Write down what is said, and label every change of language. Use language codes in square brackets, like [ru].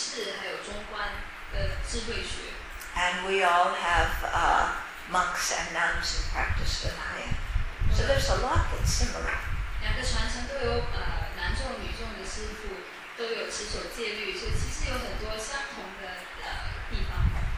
[zh] 然后在藏传佛教跟汉传佛教之中也有一起两者都有读唯识还有中观的智慧学。 [en] And we all have monks and nuns who practice Vinaya. So there's a lot that's similar. [zh] 两个传承都有男众女众的师父都有持守戒律，所以其实有很多相同的地方。